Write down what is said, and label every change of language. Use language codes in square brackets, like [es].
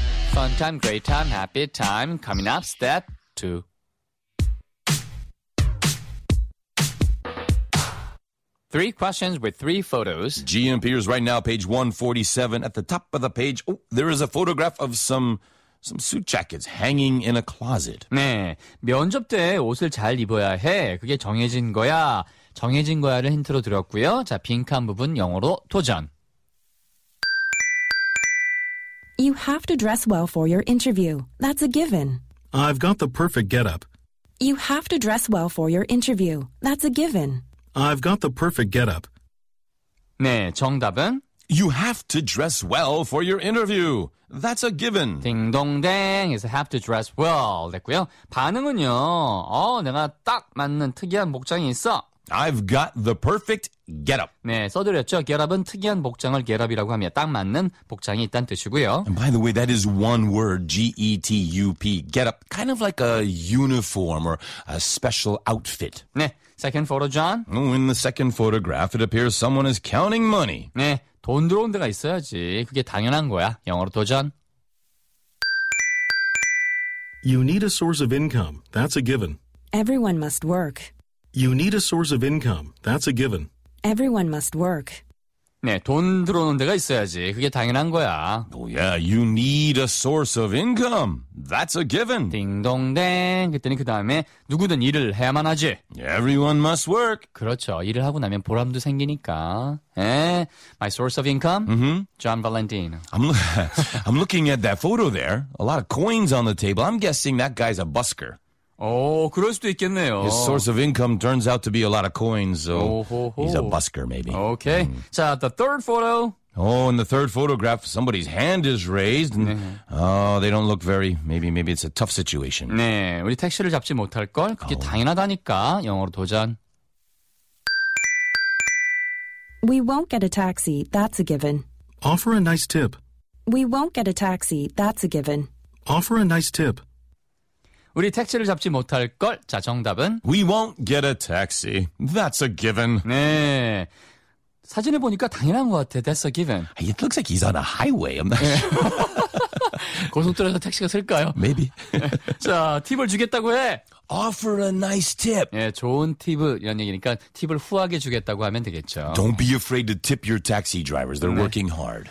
[en] Fun time, great time, happy time. Coming up, step two. Three questions with three photos. GMP is right now, page 147. At the top of the page, oh, there is a photograph of some suit jackets hanging in a closet. [ko] 네, 면접 때 옷을 잘 입어야 해. 그게 정해진 거야. 정해진 거야를 힌트로 드렸고요. 자, 빈칸 부분 영어로 도전. [en] You have to dress well for your interview. That's a given. I've got the perfect getup. You have to dress well for your interview. That's a given. I've got the perfect getup. [ko] 네, 정답은? [en] You have to dress well for your interview. That's a given. 딩동댕 is have to dress well [ko] 됐고요. 반응은요. 어, 내가 딱 맞는 특이한 복장이 있어. [en] I've got the perfect getup. [ko] 네, 써드렸죠. Getup은 특이한 복장을 getup이라고 합니다. 딱 맞는 복장이 있다는 뜻이고요. [en] And by the way, that is one word, G-E-T-U-P, getup. Kind of like a uniform or a special outfit. 네, second photo, John. In the second photograph, it appears someone is counting money. [ko] 네, 돈 들어온 데가 있어야지. 그게 당연한 거야. 영어로 도전. [en] You need a source of income. That's a given. Everyone must work. You need a source of income. That's a given. Everyone must work. [ko] 네, 돈 들어오는 데가 있어야지. 그게 당연한 거야. [en] Oh yeah, you need a source of income. That's a given. [ko] 딩동댕. 그랬더니 그 다음에 누구든 일을 해야만 하지. [en] Everyone must work. [ko] 그렇죠. 일을 하고 나면 보람도 생기니까. [en] 에? My source of income? Mm-hmm. John Valentino. I'm looking at that photo there. A lot of coins on the table. I'm guessing that guy's a busker. [ko] 오, 그럴 수도 있겠네요. [en] His source of income turns out to be a lot of coins, so 오호호. He's a busker, maybe. Okay. Mm. 자, the third photo. Oh, in the third photograph, somebody's hand is raised. And, 네. Oh, they don't look very, maybe it's a tough situation. [ko] 네, 우리 택시를 잡지 못할걸? 그게 당연하다니까, 영어로 도전. [en] We won't get a taxi, that's a given. Offer a nice tip. We won't get a taxi, that's a given. Offer a nice tip. [ko] 우리 택시를 잡지 못할 걸. 자, 정답은? [en] We won't get a taxi. That's a given. [ko] 네. 사진을 보니까 당연한 것 같아. [en] That's a given. It looks like he's on a highway. I'm not sure. [ko] 고속도로에서 택시가 쓸까요? [en] Maybe. [ko] 자, 팁을 주겠다고 해. [en] Offer a nice tip. [ko] 예, 좋은 팁을 이런 얘기니까 팁을 후하게 주겠다고 하면 되겠죠. [en] Don't be afraid to tip your taxi drivers. They're 네. working hard.